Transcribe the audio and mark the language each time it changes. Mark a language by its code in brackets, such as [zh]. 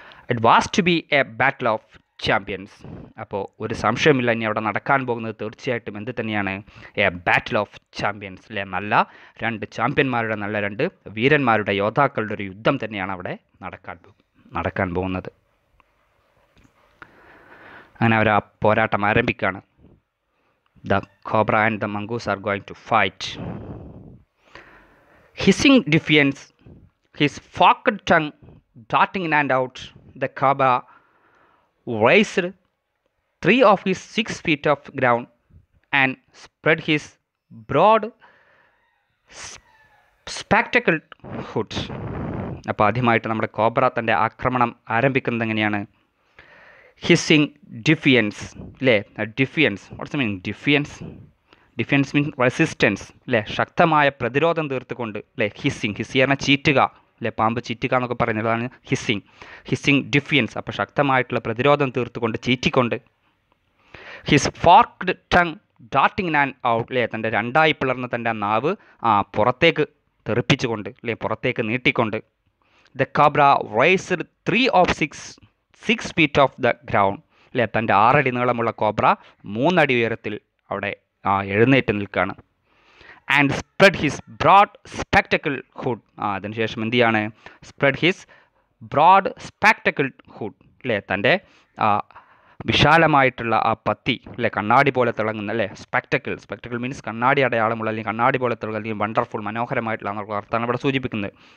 [en] It was to be a battle of champions. [ml] അപ്പോൾ ഒരു സംശയമില്ല, ഇനി അവിടെ നടക്കാൻ പോകുന്നത് തീർച്ചയായിട്ടും എന്ത് തന്നെയാണ്, എ ബാറ്റിൽ ഓഫ് ചാമ്പ്യൻസ് അല്ലെ, നല്ല രണ്ട് ചാമ്പ്യന്മാരുടെ, നല്ല രണ്ട് വീരന്മാരുടെ, യോദ്ധാക്കളുടെ ഒരു യുദ്ധം തന്നെയാണ് അവിടെ നടക്കാൻ പോകുന്നത്. അങ്ങനെ അവർ ആ പോരാട്ടം ആരംഭിക്കുകയാണ്. [en] The cobra and the mongoose are going to fight. Hissing defiance, his forked tongue darting in and out, the cobra raised 3 of his 6 feet of ground and spread his broad spectacled hood. [ml] അപ്പോൾ ആദ്യമായിട്ട് നമ്മുടെ കോബ്ര തൻ്റെ ആക്രമണം ആരംഭിക്കുന്നത് എങ്ങനെയാണ്, hissing defiance അല്ലേ, defiance, [en] what's mean defiance means resistance [ml] അല്ലേ, ശക്തമായ പ്രതിരോധം തീർത്തുകൊണ്ട് അല്ലേ, hissing എന്നാൽ ചീറ്റുക അല്ലേ, പാമ്പ് ചീറ്റിക്കുക എന്നൊക്കെ പറയുന്നതാണ് ഹിസ്സിംഗ് ഡിഫിയൻസ്. അപ്പോൾ ശക്തമായിട്ടുള്ള പ്രതിരോധം തീർത്തുകൊണ്ട് ചീറ്റിക്കൊണ്ട്, [en] his forked tongue darting and out [ml] അല്ലേ, തൻ്റെ രണ്ടായി പിളർന്ന തൻ്റെ നാവ് പുറത്തേക്ക് തെറിപ്പിച്ചുകൊണ്ട് അല്ലേ, പുറത്തേക്ക് നീട്ടിക്കൊണ്ട്, [en] the cobra raised 3 of 6 feet of the ground [ml] അല്ലേ, തൻ്റെ 6 feet നീളമുള്ള കോബ്ര 3 feet ഉയരത്തിൽ അവിടെ എഴുന്നേറ്റ് നിൽക്കുകയാണ്. [en] And spread his broad spectacle hood. [ml] അതിനുശേഷം എന്ത് ചെയ്യാണ്, [en] spread his broad spectacle hood [ml] അല്ലേ, തൻ്റെ വിശാലമായിട്ടുള്ള ആ പത്തി അല്ലേ, കണ്ണാടി പോലെ തിളങ്ങുന്ന അല്ലേ, spectacle മീൻസ് കണ്ണാടി അടയാളമുള്ള, അല്ലെങ്കിൽ കണ്ണാടി പോലെ തിളങ്ങുന്ന, അല്ലെങ്കിൽ വണ്ടർഫുൾ മനോഹരമായിട്ടുള്ള അർത്ഥമാണ് ഇവിടെ സൂചിപ്പിക്കുന്നത്.